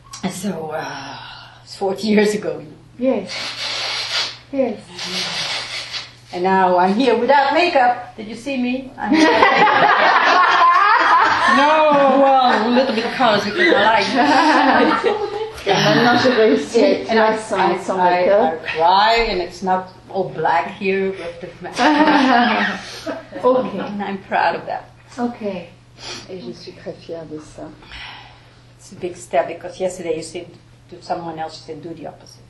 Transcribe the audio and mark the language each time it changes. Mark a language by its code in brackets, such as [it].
[en] So, it's 40 years ago. Yes. Yes. And now I'm here without makeup. Did you see me? No, well, a little bit of colors because I like. [fr] Maintenant, j'ai réussi à être là sans makeup. [en] I cry, and it's not all black here with the mask. Okay. And I'm proud of that. [fr] Okay. Et je suis très fière de ça. [en] It's a big step because yesterday you said to someone else, you said do the opposite.